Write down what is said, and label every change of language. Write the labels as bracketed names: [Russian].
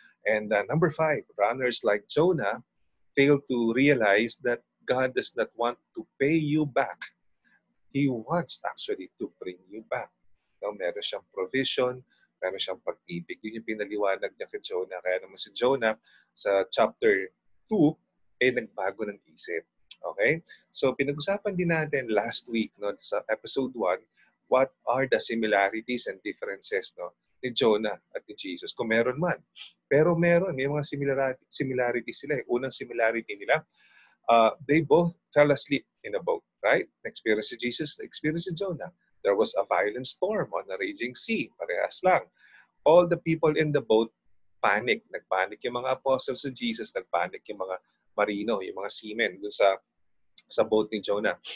[English] And number five, runners like Jonah fail to realize that God does not want to pay you back. He wants actually to bring you back. [Filipino] No, meron siyang provision, meron siyang pag-ibig. Yun yung pinaliwanag niya kay Jonah. Kaya naman si Jonah sa chapter 2 ay nagbago ng isip. Okay? So pinag-usapan din natin last week, no, sa episode 1, [English] what are the similarities and differences, [Filipino] no, ni Jonah at ni Jesus. Kung meron man. Pero meron. May mga similarities sila. Unang similarity nila, [English] they both fell asleep in a boat. Right? Experience si Jesus, experience si Jonah. There was a violent storm on a raging sea. [Filipino] Parehas lang. [English] All the people in the boat panic. [Filipino] Nagpanic yung mga apostles ni Jesus. Nagpanic yung mga marino, yung mga seamen dun sa boat ni Jonah.